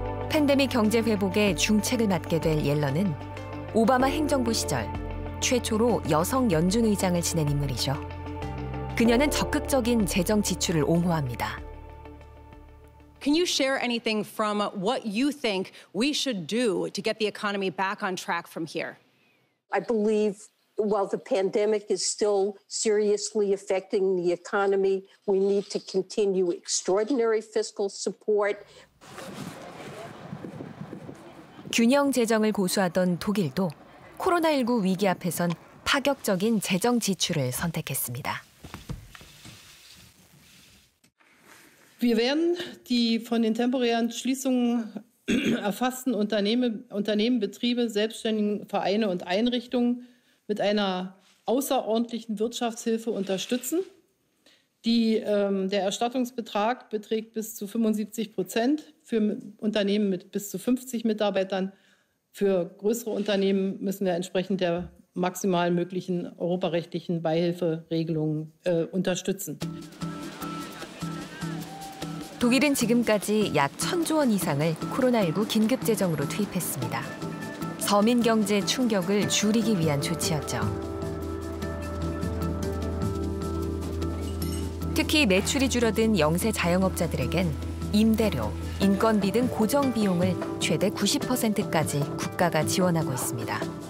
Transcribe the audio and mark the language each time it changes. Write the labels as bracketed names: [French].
[Korean] 팬데믹 경제 회복에 중책을 맡게 될 옐런은 오바마 행정부 시절 최초로 여성 연준 의장을 지낸 인물이죠. 그녀는 적극적인 재정 지출을 옹호합니다. [English] Can you share anything from what you think we should do to get the economy back on track from here? I believe while the pandemic is still seriously affecting the economy, we need to continue extraordinary fiscal support. [Korean] 균형 재정을 고수하던 독일도 코로나19 위기 앞에선 파격적인 재정 지출을 선택했습니다. [German] Wir werden die von den temporären Schließungen erfassten Unternehmen, Betriebe, selbstständigen Vereine und Einrichtungen mit einer außerordentlichen Wirtschaftshilfe unterstützen. Der Erstattungsbetrag beträgt bis zu 75% für Unternehmen mit bis zu 50 Mitarbeitern. Für größere Unternehmen müssen wir entsprechend der maximal möglichen europarechtlichen Beihilferegelungen unterstützen. [Korean] 독일은 지금까지 약 천조 원 이상을 코로나19 긴급재정으로 투입했습니다. 서민 경제 충격을 줄이기 위한 조치였죠. 특히 매출이 줄어든 영세 자영업자들에겐 임대료, 인건비 등 고정 비용을 최대 90%까지 국가가 지원하고 있습니다.